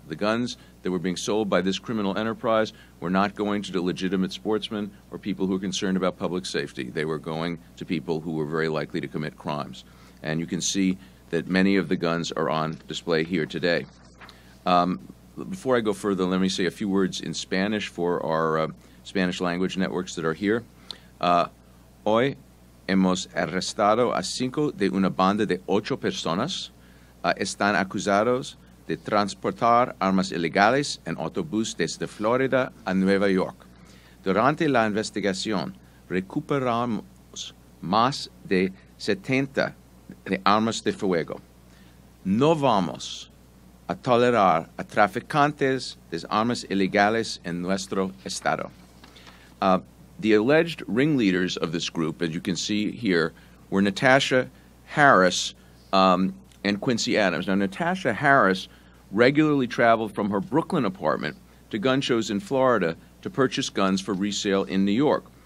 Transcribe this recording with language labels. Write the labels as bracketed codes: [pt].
[en] The guns that were being sold by this criminal enterprise were not going to the legitimate sportsmen or people who are concerned about public safety. They were going to people who were very likely to commit crimes. And you can see that many of the guns are on display here today. Before I go further, let me say a few words in Spanish for our Spanish language networks that are here. [es] Hoy hemos arrestado a cinco de una banda de ocho personas. Están acusados de transportar armas ilegales en autobús desde Florida a Nueva York. Durante la investigación, recuperamos más de 70 de armas de fuego. No vamos a tolerar a traficantes de armas ilegales en nuestro estado. [en] The alleged ringleaders of this group, as you can see here, were Natasha Harris and Quincy Adams. Now, Natasha Harris regularly traveled from her Brooklyn apartment to gun shows in Florida to purchase guns for resale in New York.